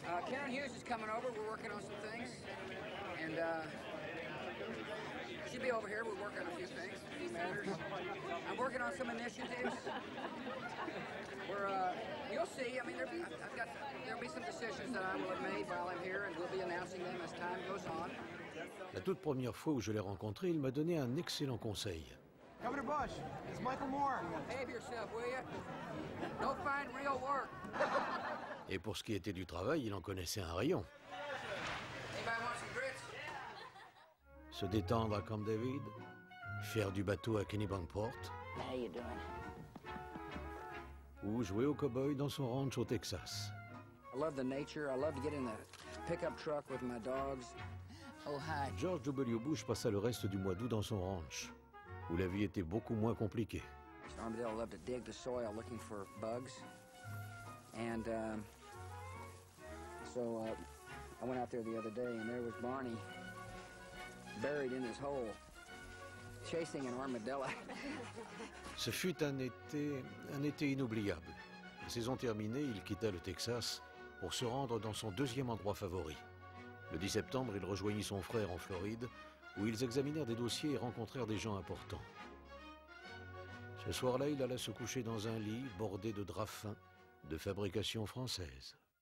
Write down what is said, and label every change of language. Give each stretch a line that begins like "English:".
English: Karen Hughes is coming over. We're working on some things. And she'll be over here. We're working on a few things. I'm working on some initiatives. You'll see. I mean, there'll be some decisions that I will have made while I'm here, and we'll be announcing them as time goes on.
French: La toute première fois où je l'ai rencontré, il m'a donné un excellent conseil.
English: Governor Bush, it's Michael Moore. Behave yourself, will you? Go find real work.
French: Et pour ce qui était du travail, il en connaissait un rayon.
English: Anybody want some grits?
French: Se détendre à Camp David, faire du bateau à Kennebunkport,
English: how you doing?
French: Ou jouer au cow-boy dans son ranch au Texas.
English: I love the nature. I love to get in the pickup truck with my dogs. Oh, hi.
French: George W. Bush passa le reste du mois d'août dans son ranch, où la vie était beaucoup moins compliquée.
English: Mr. Armadale loved to dig the soil looking for bugs. And I went out there the other day, and there was Barney buried in his hole, chasing an armadillo.
French: Ce fut un été inoubliable. La saison terminée, il quitta le Texas pour se rendre dans son deuxième endroit favori. Le 10 septembre, il rejoignit son frère en Floride, où ils examinèrent des dossiers et rencontrèrent des gens importants. Ce soir-là, il alla se coucher dans un lit bordé de drap fin, de fabrication française.